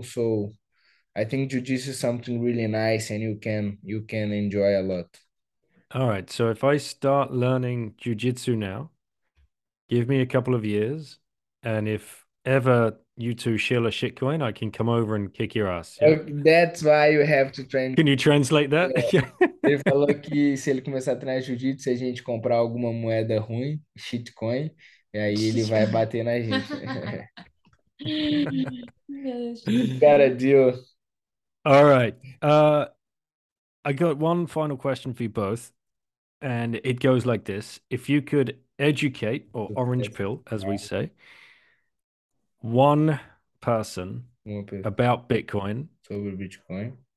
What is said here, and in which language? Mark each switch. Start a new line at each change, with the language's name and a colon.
English: So I think jiu-jitsu is something really nice, and you can enjoy a lot. All right, so if I start learning jiu-jitsu now, give me a couple of years, and if ever you two shill a shitcoin, I can come over and kick your ass. Yeah. That's why you have to train. Can you translate that? Yeah.
Portuguese: Ele falou que se ele começar a treinar jiu-jitsu, se a gente comprar alguma moeda ruim, shitcoin, e aí ele vai bater na gente.
English: Got a deal. All right. I got one final question for you both, and it goes like this. If you could educate, or orange pill, as we say, one person about Bitcoin,
Portuguese: sobre Bitcoin,